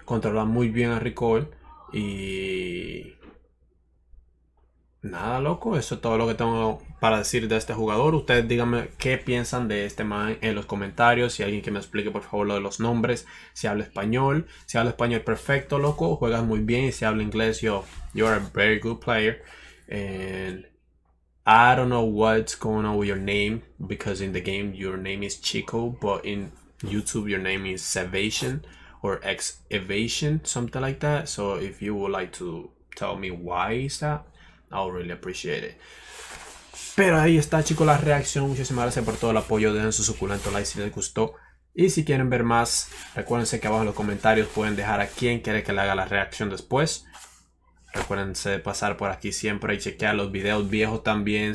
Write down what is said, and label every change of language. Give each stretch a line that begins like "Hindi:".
Spanish: Controla muy bien a recoil y nada, loco, eso es todo lo que tengo para decir de este jugador. Ustedes díganme qué piensan de este man en los comentarios. Si alguien que me explique, por favor, lo de los nombres, si habla español, perfecto, loco, juegas muy bien, y si habla inglés,
English: you're a very good player. I don't know what's going on with your name, because in the game your name is Chico, but in YouTube your name is Sevation or Xevation, something like that. So if you would like to tell me why is that, I'll really appreciate it.
Spanish: Pero ahí está, chicos, la reacción. Muchísimas gracias por todo el apoyo. Dejen su suculento like si les gustó. Y si quieren ver más, recuérdense que abajo en los comentarios pueden dejar a quien quiere que le haga la reacción después. Recuérdense de pasar por aquí siempre y chequear los videos viejos también.